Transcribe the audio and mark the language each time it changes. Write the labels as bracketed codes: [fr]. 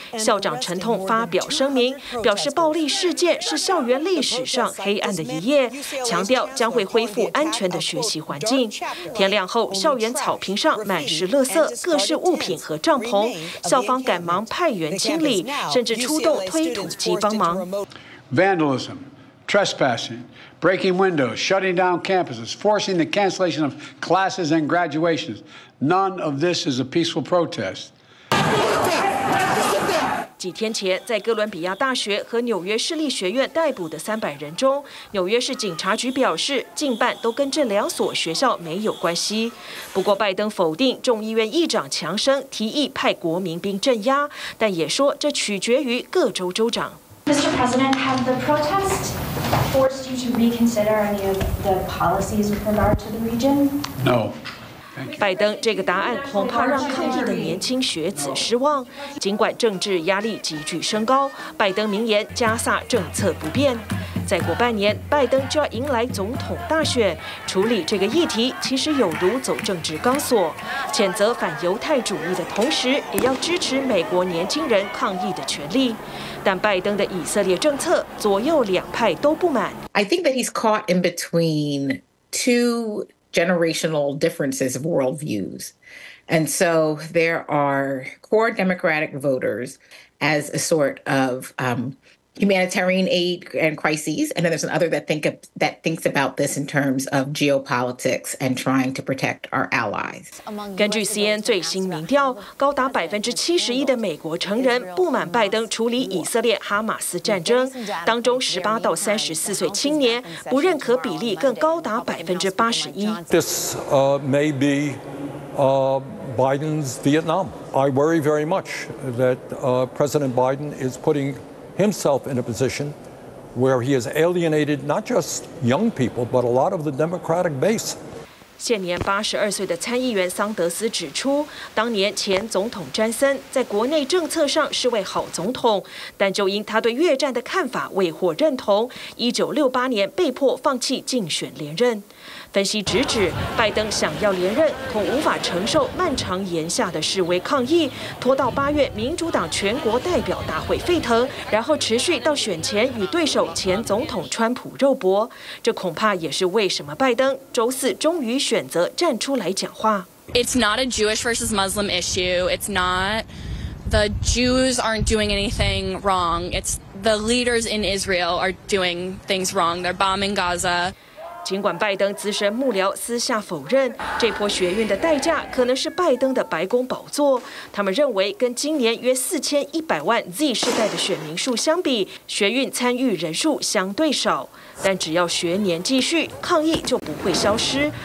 [zh] 校长陈痛发表声明，表示暴力事件是校园历史上黑暗的一页，强调将会恢复安全的学习环境。天亮后，校园草坪上满是垃圾、各式物品和帐篷，校方赶忙派员清理，甚至出动推土机帮忙。 [en] Vandalism, trespassing, breaking windows, shutting down campuses, forcing the cancellation of classes and graduations. None of this is a peaceful protest. [zh] 几天前，在哥伦比亚大学和纽约市立学院逮捕的300人中，纽约市警察局表示，近半都跟这两所学校没有关系。不过，拜登否定众议院议长强生提议派国民兵镇压，但也说这取决于各州州长。 [en] Mr. President, have the protests forced you to reconsider any of the policies with regard to the region? No. [zh] 拜登这个答案恐怕让抗议的年轻学子失望。尽管政治压力急剧升高，拜登明言加萨政策不变。再过半年，拜登就要迎来总统大选，处理这个议题其实有如走政治钢索，谴责反犹太主义的同时，也要支持美国年轻人抗议的权利。但拜登的以色列政策，左右两派都不满。 [en] I think that he's caught in between two generational differences of worldviews. And so there are core Democratic voters as a sort of humanitarian aid and crises. And then there's another that thinks about this in terms of geopolitics and trying to protect our allies. [zh] 根据 CNN 最新民调，高达71%的美国成人不满拜登处理以色列哈马斯战争，当中18到34岁青年不认可比例更高达81%。 [en] This may be Biden's Vietnam. I worry very much that President Biden is putting himself in a position where he has alienated not just young people, but a lot of the Democratic base. [zh] 现年82岁的参议员桑德斯指出，当年前总统詹森在国内政策上是位好总统，但就因他对越战的看法未获认同，1968年被迫放弃竞选连任。分析直指，拜登想要连任，恐无法承受漫长炎夏的示威抗议，拖到8月民主党全国代表大会沸腾，然后持续到选前与对手前总统川普肉搏。这恐怕也是为什么拜登周四终于选择站出来讲话。 [en] It's not a Jewish versus Muslim issue. It's not. The Jews aren't doing anything wrong. It's the leaders in Israel are doing things wrong. They're bombing Gaza. [zh] 尽管拜登资深幕僚私下否认，这波血运的代价可能是拜登的白宫宝座。他们认为，跟今年约4100万 Z 世代的选民数相比，血运参与人数相对少。但只要学年继续，抗议就不会消失。